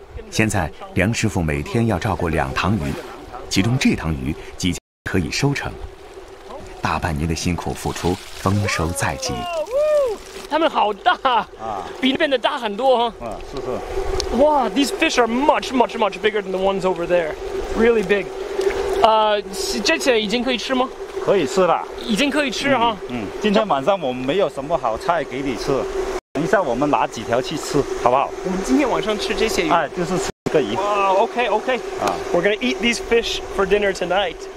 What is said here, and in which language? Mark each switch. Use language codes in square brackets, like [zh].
[zh] 现在梁师傅每天要照顾两塘鱼，其中这塘鱼即将可以收成，大半年的辛苦付出丰收在即。它们好大啊，比那边的大很多。是是。 [en] 哇， these fish are much much much bigger than the ones over there, really big. [zh] 这些已经可以吃吗？可以吃了。已经可以吃哈。嗯，今天晚上我们没有什么好菜给你吃，等一下我们拿几条去吃好不好？我们今天晚上吃这些鱼。哎，就是吃这个鱼。 [en] OK OK、We're gonna eat these fish for dinner tonight.